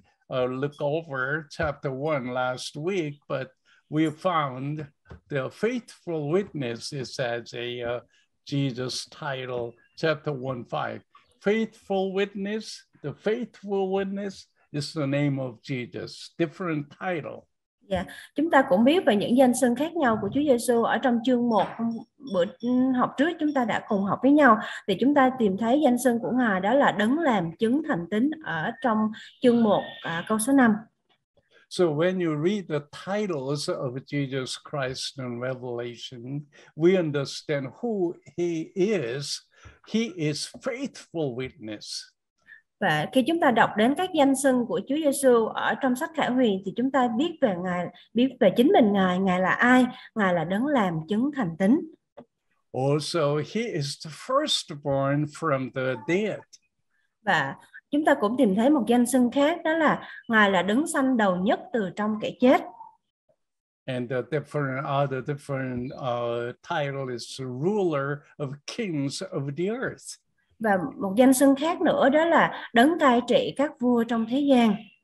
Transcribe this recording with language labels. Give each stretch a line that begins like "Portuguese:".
English: Look over chapter 1 last week, but we found the faithful witness is as a Jesus title, chapter 1:5. The faithful witness is the name of Jesus, different title.
Vietnamese: Yeah, chúng ta cũng biết về những danh xưng khác nhau của Chúa Giêsu ở trong chương 1 bữa học trước chúng ta đã cùng học với nhau thì chúng ta tìm thấy danh xưng của Ngài đó là đấng làm chứng thành tín ở trong chương 1 câu số 5.
English: So when you read the titles of Jesus Christ in Revelation, we understand who he is. He is faithful witness.
Vietnamese: Và khi chúng ta đọc đến các danh xưng của Chúa Giêsu ở trong sách Khải Huyền thì chúng ta biết về Ngài, biết về chính mình Ngài, Ngài là ai? Ngài là đấng làm chứng thành tín.
English: Also, he is the firstborn from the dead.
Vietnamese: Và chúng ta cũng tìm thấy một danh xưng khác đó là Ngài là đấng sanh đầu nhất từ trong kẻ chết.
English: And the different title is ruler of kings of the earth.
Vietnamese: Và một danh xưng khác nữa đó là đấng cai trị các vua trong thế gian.